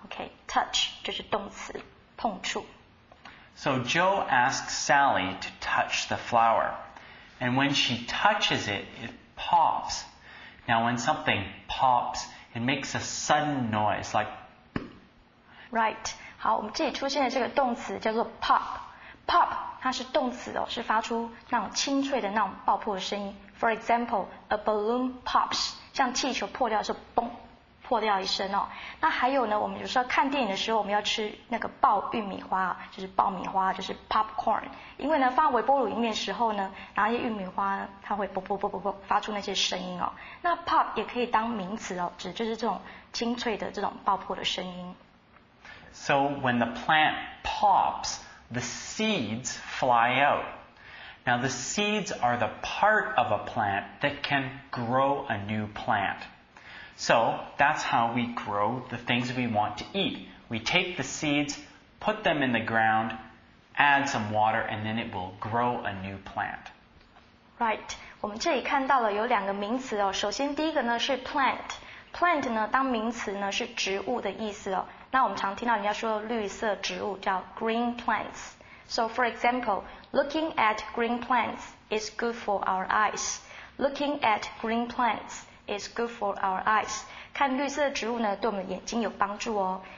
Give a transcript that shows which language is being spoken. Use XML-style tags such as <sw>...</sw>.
<zh>Okay, touch, 就是动词碰触。</zh> <en>So Joe asks Sally to touch the flower. And when she touches it, it pops. Now when something pops, it makes a sudden noise, like...</en> <zh>Right, 好我们这里出现的这个动词叫做 pop. Pop, 它是动词哦，是发出那种清脆的那种爆破的声音。</zh> <en>For example, a balloon pops,</en> <zh>像气球破掉的时候，嘣，破掉一声哦。那还有呢，我们有时候看电影的时候，我们要吃那个爆玉米花，就是爆米花，就是 popcorn。因为呢，放微波炉里面的时候呢，然后一些玉米花呢，它会啵啵啵啵啵发出那些声音哦。那 pop 也可以当名词哦，指就是这种清脆的这种爆破的声音。</zh> <en>So when the plant pops,The seeds fly out. Now, the seeds are the part of a plant that can grow a new plant. So that's how we grow the things we want to eat. We take the seeds, put them in the ground, add some water, and then it will grow a new plant. Right.</en> <zh>我们这里看到了有两个名词哦。首先第一个呢是 plant。Plant 呢当名词呢是植物的意思哦。那我们常听到人家说绿色植物叫 green plants。</zh> <en>So for example, looking at green plants is good for our eyes. Looking at green plants is good for our eyes.</en> <zh>看绿色植物呢对我们的眼睛有帮助哦。</zh>